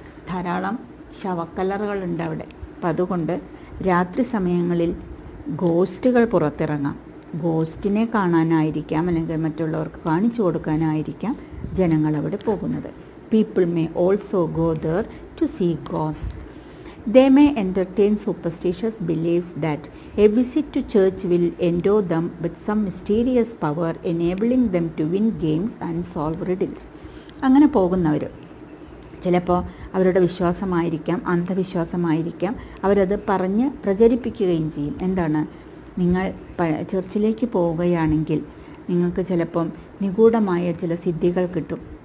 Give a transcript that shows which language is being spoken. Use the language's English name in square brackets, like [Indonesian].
[Malayalam] ധാരാളം ശവക്കല്ലറുകളുണ്ട് അവിടെ. അപ്പം അതുകൊണ്ട് രാത്രി സമയങ്ങളിൽ ഗോസ്റ്റുകൾ പുറത്തിറങ്ങാം. ഗോസ്റ്റിനെ കാണാനായിരിക്കാം അല്ലെങ്കിൽ മറ്റുള്ളവർക്ക് കാണിച്ചു കൊടുക്കാനായിരിക്കാം ജനങ്ങൾ അവിടെ പോകുന്നത്. [English] People may also go there to see goes. They may entertain superstitious beliefs that a visit to church will endow them with some mysterious power enabling them to win games and solve riddles. [Malayalam] അങ്ങനെ പോകുന്നവർ ചിലപ്പോൾ അവരുടെ വിശ്വാസമായിരിക്കാം അന്ധവിശ്വാസമായിരിക്കാം, അവരത് പറഞ്ഞ് പ്രചരിപ്പിക്കുകയും ചെയ്യും. എന്താണ്? നിങ്ങൾ ചർച്ചിലേക്ക് പോവുകയാണെങ്കിൽ നിങ്ങൾക്ക് ചിലപ്പം നിഗൂഢമായ ചില സിദ്ധികൾ കിട്ടും.